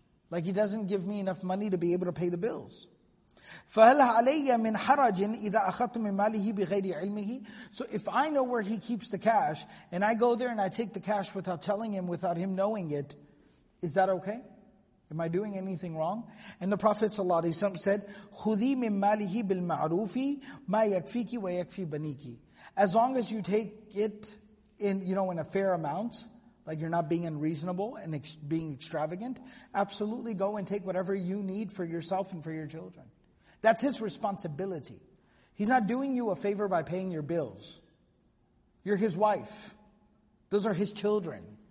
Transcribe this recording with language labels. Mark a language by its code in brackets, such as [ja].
[en] Like he doesn't give me enough money to be able to pay the bills. [ar] فَهَلْ عَلَيَّ مِنْ حَرَجٍ إِذَا أَخَذْتُ مِنْ مَالِهِ بِغَيْرِ عِلْمِهِ. [en] So if I know where he keeps the cash, and I go there and I take the cash without telling him, without him knowing it, is that okay? Am I doing anything wrong? And the Prophet ﷺ said, [ar] خُذِي مِنْ مَالِهِ بِالْمَعْرُوفِ مَا يَكْفِيكِ وَيَكْفِي بَنِيكِ. [en] As long as you take it in, you know, in a fair amount, like you're not being unreasonable and being extravagant, absolutely go and take whatever you need for yourself and for your children. That's his responsibility. He's not doing you a favor by paying your bills. You're his wife. Those are his children.